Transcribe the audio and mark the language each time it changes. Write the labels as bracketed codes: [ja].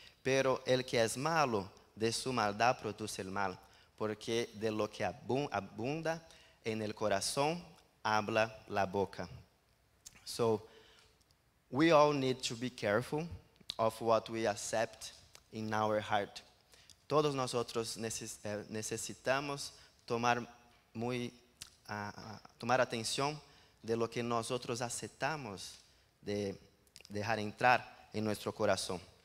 [es] Pero el que es malo de su maldad produce el mal. Porque de lo que abunda en el corazón habla la boca. [en] So we all need to be careful of what we accept in our heart. [es] Todos nosotros necesitamos tomar atención de lo que nosotros aceptamos de dejar entrar en nuestro corazón.